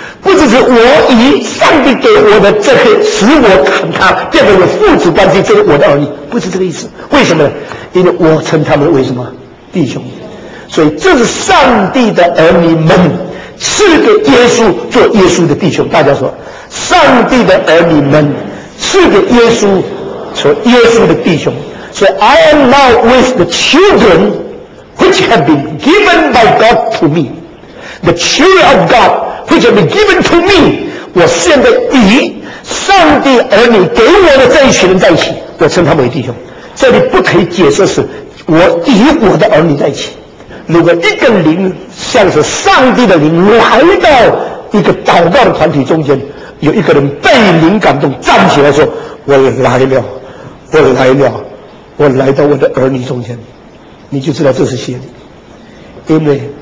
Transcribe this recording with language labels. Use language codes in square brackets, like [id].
[zh] 不只是我与上帝给我的这些使我看他变成父子关系，这是我的儿女，不是这个意思。为什么呢？因为我称他们为什么弟兄。所以这是上帝的儿女们赐给耶稣做耶稣的弟兄。大家说，上帝的儿女们赐给耶稣说耶稣的弟兄，说 [en] I am now with the children which have been given by God to me, the children of God which have been given to me. [zh] 我现在与上帝儿女给我的这一群人在一起，我称他们为弟兄。这里不可以解释是我与我的儿女在一起。如果一个灵像是上帝的灵来到一个祷告的团体中间，有一个人被灵感动站起来说，我来了，我来了，我来到我的儿女中间，你就知道这是邪灵。因为